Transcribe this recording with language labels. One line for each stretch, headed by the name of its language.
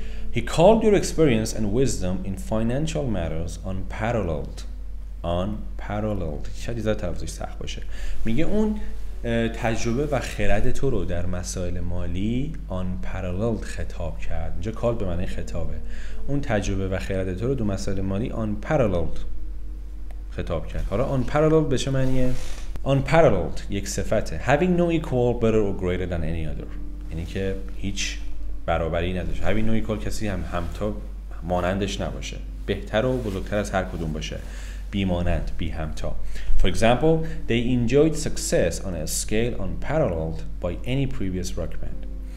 English: He called your experience and wisdom in financial matters unparalleled.
Persian: Unparalleled. شاید از تلفظش سخت باشه. میگه اون تجربه و خرد تو رو در مسائل مالی unparalleled خطاب کرد. اینجا کال به معنی خطابه. اون تجربه و خرد تو رو در مسائل مالی unparalleled خطاب کرد. حالا unparalleled به چه معنیه؟ Unparalleled یک صفته.
English: Having no equal, better or greater than any other.
Persian: یعنی که هیچ برابری نداشت. همین نوعی کل کسی هم همتا مانندش نباشه. بهتر و بزرگتر از هر کدوم باشه. بی مانند، بی همتا.
English: For example, they enjoyed success on a scale unparalleled by any previous rock band.